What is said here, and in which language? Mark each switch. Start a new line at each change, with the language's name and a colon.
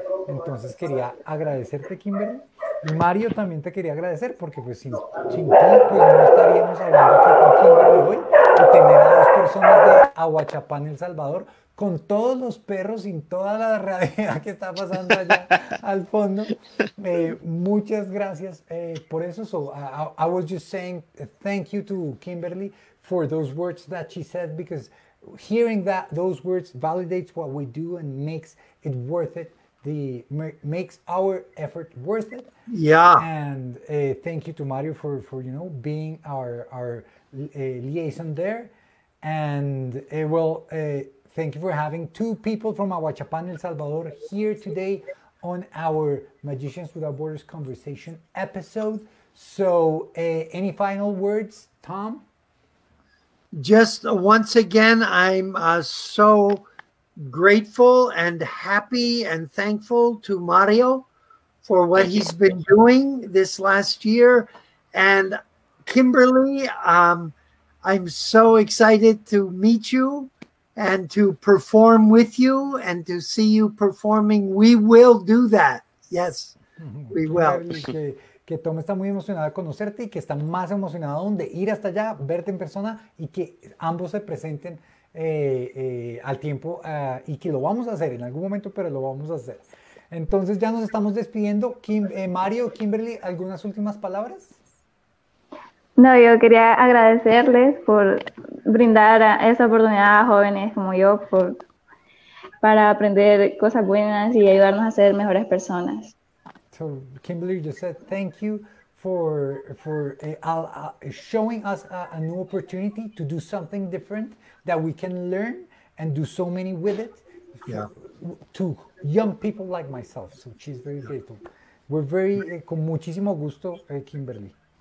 Spanish: Entonces quería agradecerte, Kimberly. Y Mario, también te quería agradecer, porque pues sin ti, pues no estaríamos hablando aquí con Kimberly hoy. Y tener a dos personas de Ahuachapán, El Salvador, con todos los perros y toda la realidad que está pasando allá al fondo. Muchas gracias por eso.
English: So I was just saying thank you to Kimberly for those words that she said, because hearing that those words validates what we do and makes it worth it. Makes our effort worth it. Yeah. And thank you to Mario for you know, being our liaison there. And thank you for having two people from Ahuachapán, El Salvador, here today on our Magicians Without Borders conversation episode. So any final words, Tom? Just once again, I'm so grateful and happy and thankful to Mario for what he's been doing this last year. And Kimberly, I'm so excited to meet you and to perform with you and to see you performing. We will do that. Yes, we will.
Spanish: Que Tom está muy emocionado de conocerte y que está más emocionado de ir hasta allá, verte en persona y que ambos se presenten al tiempo y que lo vamos a hacer en algún momento, pero lo vamos a hacer. Entonces ya nos estamos despidiendo. Mario, Kimberly, ¿algunas últimas palabras? No, yo quería agradecerles por brindar esa oportunidad a jóvenes como yo para aprender cosas buenas y ayudarnos a ser mejores personas.
English: So Kimberly, you said thank you for showing us a new opportunity to do something different that we can learn and do so many with it. Yeah. To young people like myself. So she's very grateful. We're very,
Spanish: con muchísimo gusto,
English: Kimberly.